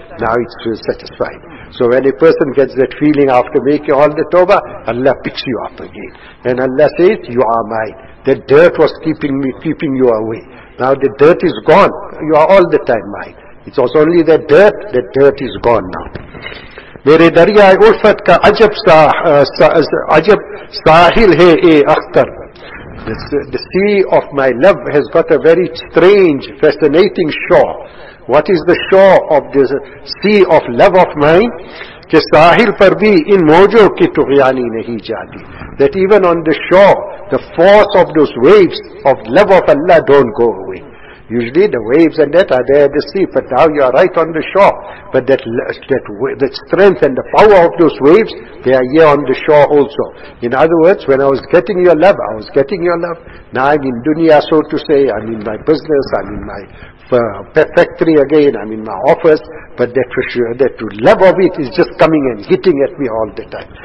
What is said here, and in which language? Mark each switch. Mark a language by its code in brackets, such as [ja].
[en] Now it's satisfied. So when a person gets that feeling after making all the tawbah, Allah picks you up again. And Allah says, you are mine. The dirt was keeping you away. Now the dirt is gone. You are all the time mine. It's also only the dirt is gone now. [ur] میرے دریائے الفت کا عجب عجب ساحل ہے اے Akhtar. [en] The sea of my love has got a very strange, fascinating shore. What is the shore of the sea of love of mine? [ur] کہ ساحل پر بھی ان موجوں کی طغیانی نہیں جاتی. [en] That even on the shore, the force of those waves of love of Allah don't go away. Usually the waves and that are there at the sea, but now you are right on the shore. But that strength and the power of those waves, they are here on the shore also. In other words, when I was getting your love, I was getting your love. Now I'm in dunya, so to say, I'm in my business, I'm in my factory again, I'm in my office, but that for sure, that love of it is just coming and hitting at me all the time.